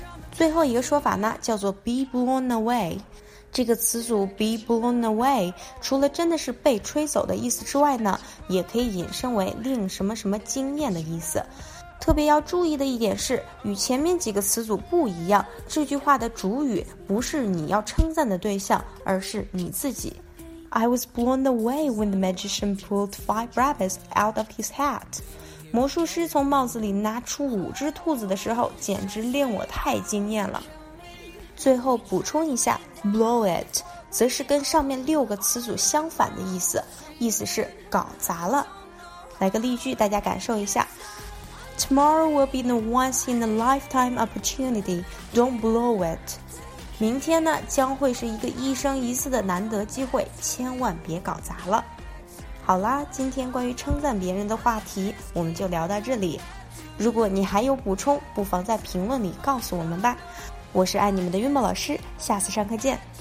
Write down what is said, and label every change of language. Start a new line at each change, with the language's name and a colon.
Chinese: 最后一个说法呢，叫做 be blown away。这个词组 be blown away 除了真的是被吹走的意思之外呢，也可以引申为令什么什么惊艳的意思。特别要注意的一点是，与前面几个词组不一样，这句话的主语不是你要称赞的对象，而是你自己。
English: I was blown away when the magician pulled 5 rabbits out of his hat.
Chinese: 魔术师从帽子里拿出五只兔子的时候，简直令我太惊艳了。最后补充一下 blow it 则是跟上面六个词组相反的意思，意思是搞砸了。来个例句大家感受一下。
English: Tomorrow will be the once in a lifetime opportunity, don't blow it.
Chinese: 明天呢，将会是一个一生一次的难得机会，千万别搞砸了。好啦，今天关于称赞别人的话题我们就聊到这里。如果你还有补充，不妨在评论里告诉我们吧。我是爱你们的韵宝老师，下次上课见。